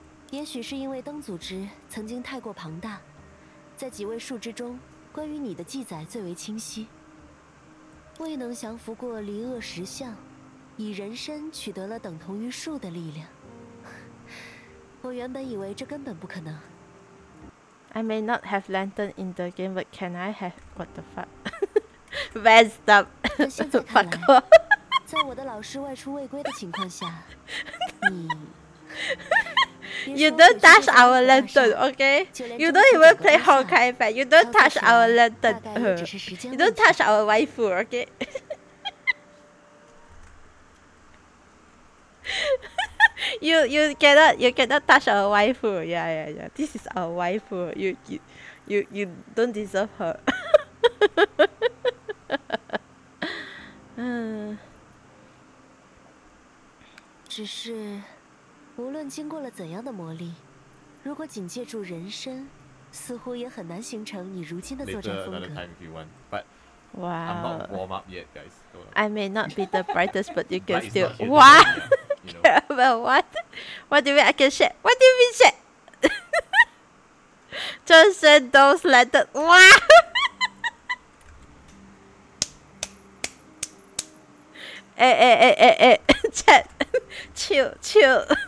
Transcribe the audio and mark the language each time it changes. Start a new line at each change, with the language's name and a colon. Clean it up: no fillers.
Chinese: 也许是因为灯组织曾经太过庞大，在几位树之中，关于你的记载最为清晰。未能降服过离厄石像，以人身取得了等同于树的力量。我原本以为这根本不可能。
English: I may not have lantern in the game, but can I have? What the fuck? Messed up.
Chinese: 现在看来，在我的老师外出未归的情况下，你。
English: You don't touch our lantern, okay? You don't even play Honkai fan. You don't touch our lantern. You don't touch our waifu, okay? you cannot touch our waifu. Yeah, yeah, yeah. This is our waifu. You don't deserve her. Just.
Chinese: 无论经过了怎样的磨砺，如果仅借助人身，似乎也很难形成你如今的作战风格。
English: Later, another time if you want, but wow, I'm not warm up yet, guys. I may not be the brightest, but you can still. What? You know. Well, what? What do you mean I can share? What do you mean share? Just send those letters. What? chat. Chill.